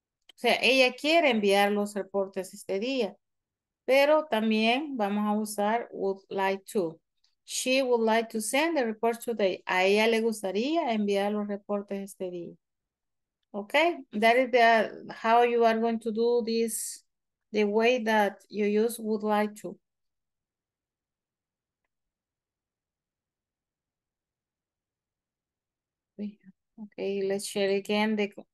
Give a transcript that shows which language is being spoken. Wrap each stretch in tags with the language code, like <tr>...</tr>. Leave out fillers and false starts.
<es>O sea, ella quiere enviar los reportes este día. Pero también vamos a usar would like to.</es> <en>She would like to send the reports today.</en> <es>A ella le gustaría enviar los reportes este día.</es> <en>Okay, that is the how you are going to do this, the way that you use would like to. Okay, let's share again the.</en>